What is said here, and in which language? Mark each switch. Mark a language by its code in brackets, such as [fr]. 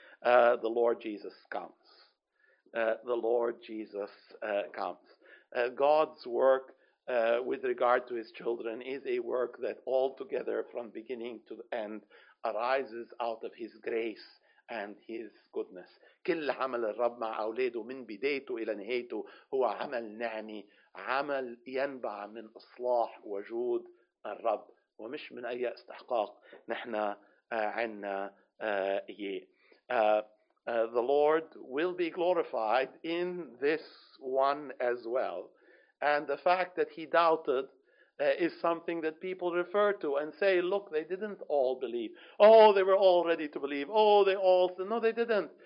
[en] The Lord Jesus comes. The Lord Jesus comes. God's work with regard to his children is a work that altogether from beginning to end arises out of his grace and his goodness. [ar] كل عمل الرب مع أولاده من بدايته إلى نهايته هو عمل نعمي, عمل ينبع من إصلاح وجود الرب ومش من أي استحقاق نحن عنا إيه. [en] The Lord will be glorified in this one as well. And the fact that he doubted is something that people refer to and say, look, they didn't all believe. Oh, they were all ready to believe. Oh, they all said, no, they didn't.